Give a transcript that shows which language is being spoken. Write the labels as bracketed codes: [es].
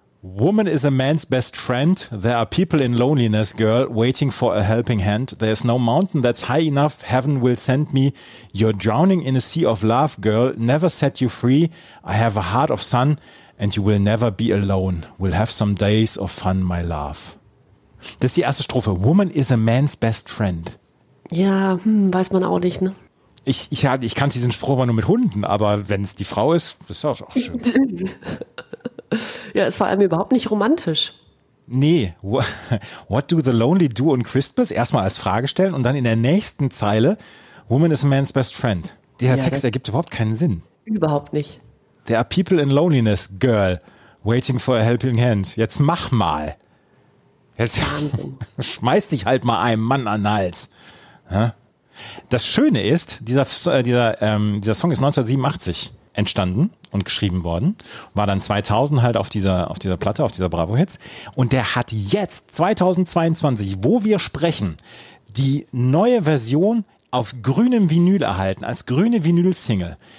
[en] Woman is a man's best friend. There are people in loneliness, girl, waiting for a helping hand. There's no mountain that's high enough. Heaven will send me. You're drowning in a sea of love, girl. Never set you free. I have a heart of sun and you will never be alone. We'll have some days of fun, my love. [de] Das ist die erste Strophe. [en] Woman is a man's best friend. [de] Ja, weiß man auch nicht, ne? Ich kann diesen Spruch aber nur mit Hunden, aber wenn es die Frau ist, ist das auch schön. Ja, es war einem überhaupt nicht romantisch. [en] Nee, what do the lonely do on Christmas? [de] Erstmal als Frage stellen und dann in der nächsten Zeile, [en] woman is a man's best friend. [de] Der Text ergibt überhaupt keinen Sinn. Überhaupt nicht. [en] There are people in loneliness, girl, waiting for a helping hand. [de] Jetzt mach mal. Jetzt schmeiß dich halt mal einem Mann an den Hals. Das Schöne ist, dieser Song ist 1987 entstanden und geschrieben worden. War dann 2000 halt auf dieser Platte, auf dieser Bravo Hits. Und der hat jetzt, 2022, wo wir sprechen, die neue Version auf grünem Vinyl erhalten, als grüne Vinyl-Single.